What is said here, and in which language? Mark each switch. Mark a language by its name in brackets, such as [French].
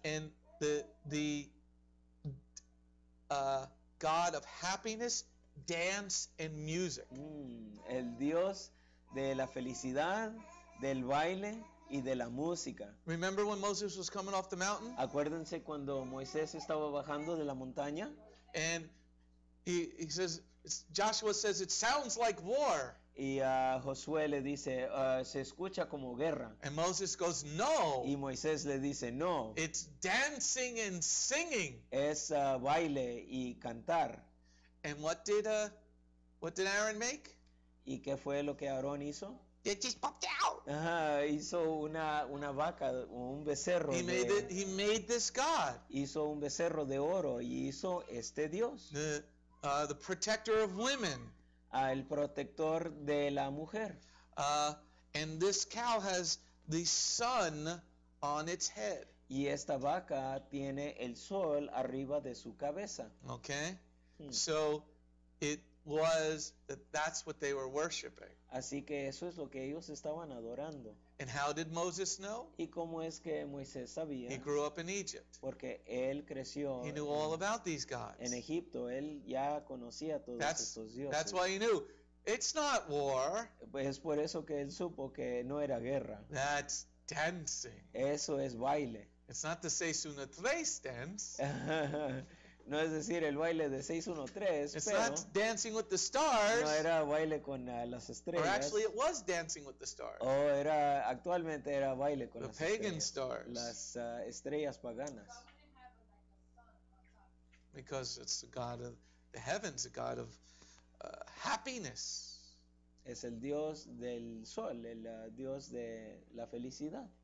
[English] And the god of happiness, dance, and music. [Spanish] El dios de la felicidad, del baile. Y de la música. [English] Remember when Moses was coming off the mountain? [Spanish] Acuérdense cuando Moisés estaba bajando de la montaña. [English] And he says, Joshua says, it sounds like war. [Spanish] Y Josué le dice, se escucha como guerra. [English] And Moses goes, no. [Spanish] Y Moisés le dice, no. [English] It's dancing and singing. [Spanish] Es baile y cantar. [English] And what did Aaron make? [Spanish] ¿Y qué fue lo que Aarón hizo? [English] It just popped out. [Spanish] Hizo una vaca o un becerro. [English] He made this god. [Spanish] Hizo un becerro de oro y hizo este dios. [English] The protector of women. [Spanish] El protector de la mujer. [English] And this cow has the sun on its head. [Spanish] Y esta vaca tiene el sol arriba de su cabeza. [English] Okay. So it was that that's what they were worshiping. [Spanish] Así que eso es lo que ellos estaban adorando. [English] And how did Moses know? [Spanish] ¿Y cómo es que Moisés sabía? [English] He grew up in Egypt. [Spanish] Porque él creció. [English] He knew all about these gods. [Spanish] En Egipto, él ya conocía todos estos dioses. [English] That's why he knew. It's not war. [Spanish] Es por eso que él supo que no era guerra. [English] That's dancing. [Spanish] Eso es baile. [English] It's not to say Suna Tres dance. [Spanish] No es decir el baile de 613, [English] it's [Spanish] pero [English] not dancing with the stars. [Spanish] No era baile con las estrellas. [English] Or actually it was dancing with the stars. [Spanish] O era actualmente era baile con [English] the [Spanish] las [English] pagan [Spanish] estrellas. [English] Stars. [Spanish] Las estrellas paganas. [English] Because it's the god of the heavens, the god of happiness. [Spanish] Es el dios del sol, el dios de la felicidad.